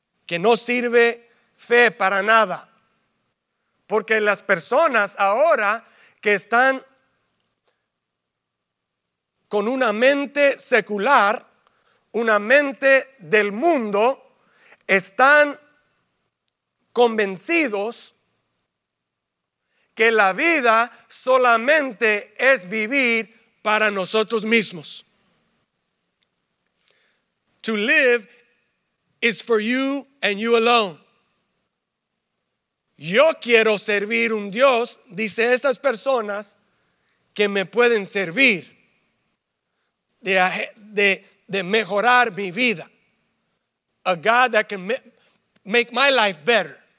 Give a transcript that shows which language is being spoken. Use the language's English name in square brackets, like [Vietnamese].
[Spanish] que no sirve fe para nada. Porque las personas ahora que están con una mente secular, una mente del mundo, están convencidos que la vida solamente es vivir para nosotros mismos. [English] To live is for you and you alone. [Spanish] Yo quiero servir un Dios, dice estas personas, que me pueden servir de mejorar mi vida. [English] A God that can make my life better.